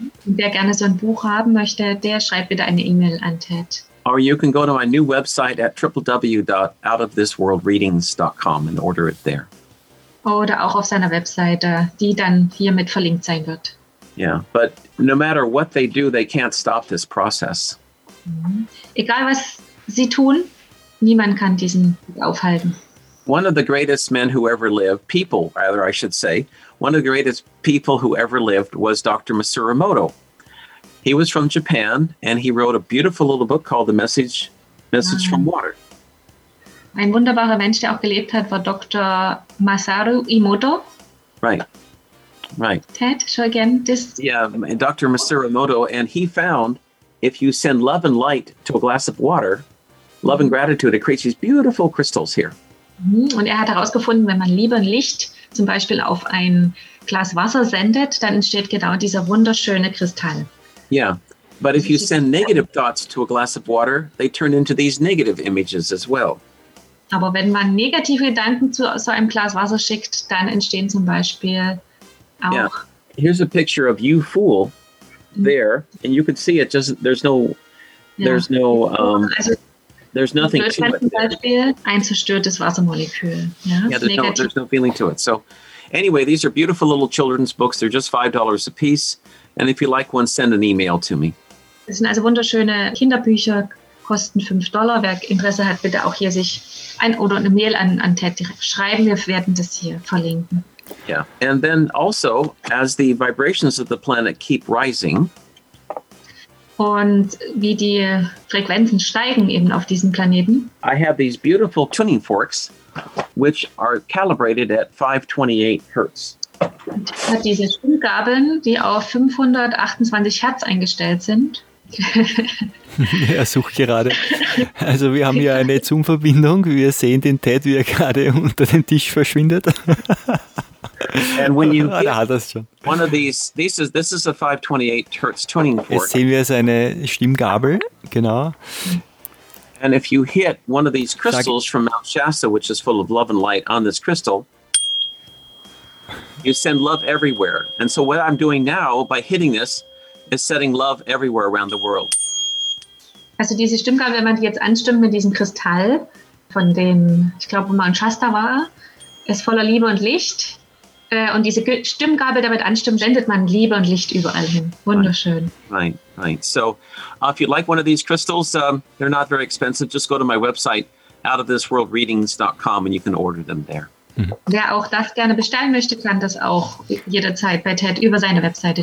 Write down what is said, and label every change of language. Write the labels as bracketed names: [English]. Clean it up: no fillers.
[German] Wer gerne so ein Buch haben möchte, der schreibt bitte eine E-Mail an Ted. [English] Or you can go to my new website at www.outofthisworldreadings.com and order it there. [German] oder auch auf seiner Webseite, die dann hiermit verlinkt sein wird. [English] Yeah, but no matter what they do, they can't stop this process. [German] Egal was sie tun, niemand kann diesen aufhalten. [English] One of the greatest men who ever lived, people, rather I should say, one of the greatest people who ever lived was Dr. Masaru Emoto. He was from Japan and he wrote a beautiful little book called The Message from Water. [German] Ein wunderbarer Mensch, der auch gelebt hat, war Dr. Masaru Emoto. [English] Right. Ted, show again. Dr. Masaru Emoto, and he found if you send love and light to a glass of water, love and gratitude, it creates these beautiful crystals here. [German] Und er hat herausgefunden, wenn man Liebe und Licht zum Beispiel auf ein Glas Wasser sendet, dann entsteht genau dieser wunderschöne Kristall. [English] Yeah, but if you send negative thoughts to a glass of water, they turn into these negative images as well. [German] Aber wenn man negative Gedanken zu so einem Glas Wasser schickt, dann entstehen zum Beispiel auch... [English] Yeah, here's a picture of you fool there, and you can see it, just, there's nothing to it. [German] Zum Beispiel ein zerstörtes Wassermolekül. [English] There's no feeling to it. So anyway, these are beautiful little children's books. They're just $5 a piece. And if you like one, send an email to me. [German] Das sind also wunderschöne Kinderbücher, kosten $5. Wer Interesse hat, bitte auch hier sich ein oder eine Mail an Ted schreiben. Wir werden das hier verlinken. Yeah. [English] And then also, as the vibrations of the planet keep rising, [German] und wie die Frequenzen steigen eben auf diesem Planeten. [English] I have these beautiful tuning forks, which are calibrated at 528 Hertz. [German] Ich habe diese Stimmgabeln, die auf 528 Hertz eingestellt sind. Er sucht gerade. Also wir haben hier eine Zoom-Verbindung. Wir sehen den Ted, wie er gerade unter dem Tisch verschwindet. [English] And when you [German] da hat er's schon. [English] One of these, this is a 528 Hertz tuning fork. [German] Jetzt sehen wir seine Stimmgabel, genau. [English] And if you hit one of these crystals from Mount Shasta, which is full of love and light, on this crystal, you send love everywhere. And so what I'm doing now by hitting this is setting love everywhere around the world. [German] Also diese Stimmgabel, wenn man die jetzt anstimmt mit diesem Kristall von dem, ich glaube, wo Mount Shasta war, ist voller Liebe und Licht. Und diese Stimmgabel damit anstimmt, sendet man Liebe und Licht überall hin. Wunderschön. [English] Right. So, if you like one of these crystals, they're not very expensive. Just go to my website, outofthisworldreadings.com, and you can order them there. [German] Wer auch das gerne bestellen möchte, kann das auch jederzeit bei Ted über seine Webseite tun.